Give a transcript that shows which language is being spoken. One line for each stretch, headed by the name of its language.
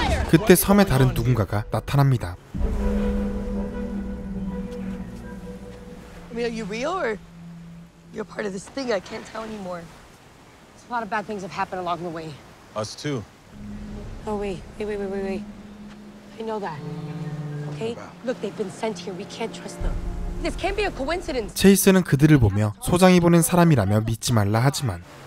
Korean: 그때 섬에 다른 누군가가 나타납니다.
English: I mean, are you real or you're part of this thing? I can't tell anymore. A lot of bad things have happened along the way. Us too. Oh wait. I know that. Okay. Look, they've been sent here. We can't trust them. This can't be a coincidence.
Korean: 체이스는 그들을 보며 소장이 보낸 사람이라며 믿지 말라 하지만.